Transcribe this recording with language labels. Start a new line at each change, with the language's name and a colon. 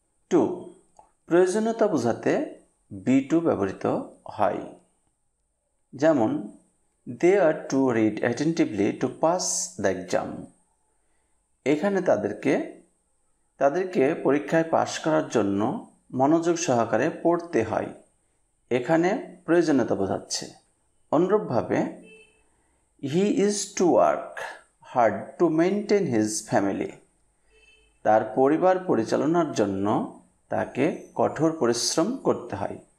Bangla: Two, প্রয়োজনীয়তা বোঝাতে B two ব্যবহৃত হয়।
English: যেমন They are to read attentively to pass the exam.
Bangla: এখানে তাদেরকে পরীক্ষায় পাশ করার জন্য মনোযোগ সহকারে পড়তে হয়, এখানে প্রয়োজনীয়তা বোঝাচ্ছে। অনুরূপভাবে
English: he is to work hard to maintain his family,
Bangla: তার পরিবার পরিচালনার জন্য তাকে কঠোর পরিশ্রম করতে হয়।